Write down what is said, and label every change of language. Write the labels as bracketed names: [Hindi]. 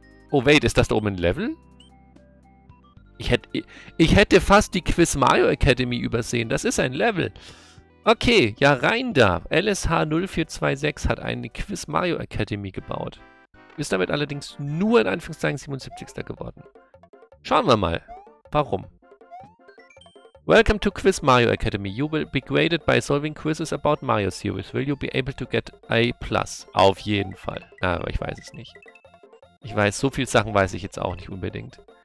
[German] Oh, wait, ist das da oben ein Level? Ich hätte fast die Quiz Mario Academy übersehen. Das ist ein Level. Okay, ja rein da. LSH0426 hat eine Quiz Mario Academy gebaut. Ist damit allerdings nur in Anführungszeichen 77. geworden. Schauen wir mal, warum. [English] Welcome to Quiz Mario Academy. You will be graded by solving quizzes about Mario series. Will you be able to get A+? [German] Auf jeden Fall. Aber ich weiß es nicht. Ich weiß, so viele Sachen weiß ich jetzt auch nicht unbedingt.